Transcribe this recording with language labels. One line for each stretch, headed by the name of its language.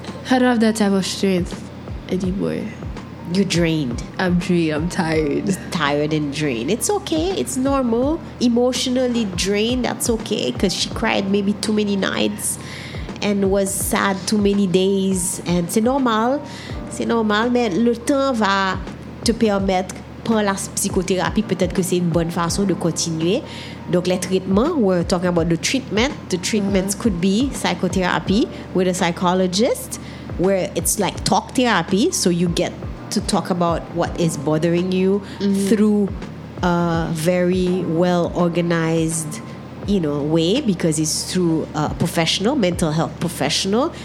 English: I don't have that type of strength anymore. You're drained. I'm drained. I'm tired. Tired and drained. It's okay. It's normal. Emotionally drained, that's okay. Because she cried maybe too many nights and was sad too many days.
French: And c'est normal. C'est normal. Mais le temps va te permettre, prendre la psychothérapie, peut-être que c'est une bonne façon de continuer. Donc, les traitements,
English: we're talking about the treatment. The treatments could be psychotherapy with a psychologist, where it's like talk therapy, so you get to talk about what is bothering you through a very well-organized, you know, way, because it's through a professional, mental health professional.